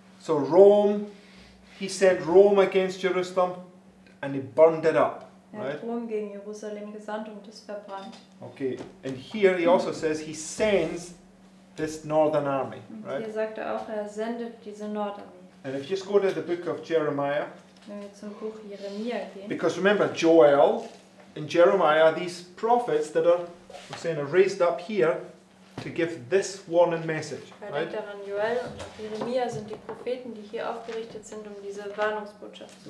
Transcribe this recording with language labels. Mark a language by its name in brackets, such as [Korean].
[English] So Rome, he sent Rome against Jerusalem and he burned it up. Right. [German] Rom gegen Jerusalem gesandt und es verbrannt. [English] Okay, and here he also says he sends this northern army. Right? [German] Hier sagt er auch, er sendet diese Nordarmee. [English] And if you just go to the book of Jeremiah. [German] Wenn wir zum Buch Jeremia gehen. [English] Because remember, Joel and Jeremiah are these prophets that are, I'm saying, are raised up here to give this warning message. Right? [German] Denkt daran, Joel und Jeremia sind die Propheten, die hier aufgerichtet sind, um diese Warnungsbotschaft zu